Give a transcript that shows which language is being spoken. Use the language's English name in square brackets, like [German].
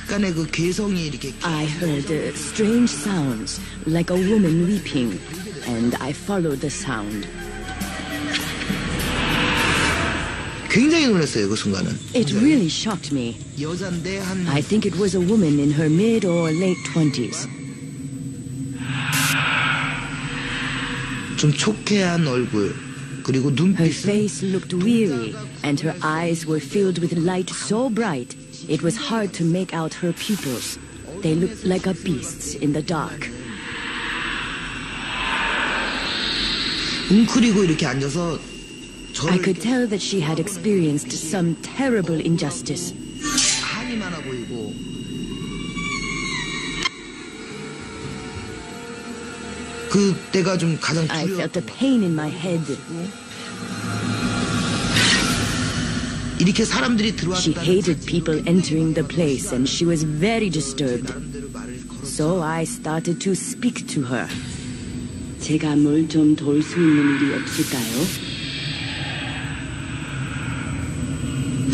[English] I heard strange sounds, like a woman weeping, and I followed the sound. [Korean] 굉장히 놀랐어요, 그 순간은. [English] It really shocked me. I think it was a woman in her mid or late 20s. [Korean] 좀 초췌한 얼굴, 그리고 눈빛. [English] Her face looked weary, and her eyes were filled with light so bright, it was hard to make out her pupils. They looked like a beast's in the dark. [Korean] 웅크리고 이렇게 앉아서 [English] I could tell that she had experienced some terrible injustice. I felt a pain in my head. She hated people entering the place and she was very disturbed. So I started to speak to her. [Korean] 제가 뭘 좀 도울 수 있는 일이 없을까요?